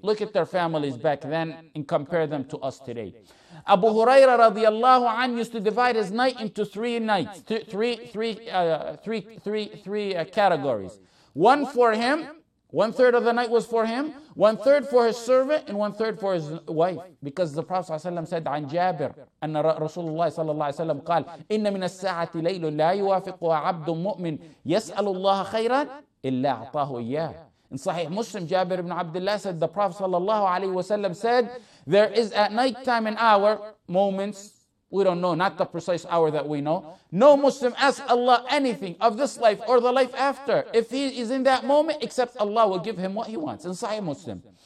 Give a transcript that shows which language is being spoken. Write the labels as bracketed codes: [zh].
[en] Look at their families back then and compare them to us today. Abu Huraira radiallahu anhu used to divide his night into three nights, three categories. One for him, one third of the night was for him, one third for his servant, and one third for his wife. Because the Prophet ﷺ said, [ar] عن جابر أن رسول الله صلى الله عليه وسلم قال إن من الساعة ليل لا يوافقها عبد مؤمن يسأل الله خيرا إلا أعطاه إياه. [en] In Sahih Muslim, Jabir ibn Abdullah said, the Prophet sallallahu alayhi wasallam said, there is at night time an hour, moments, we don't know, not the precise hour that we know. No Muslim asks Allah anything of this life or the life after. If he is in that moment, except Allah will give him what he wants. In Sahih Muslim.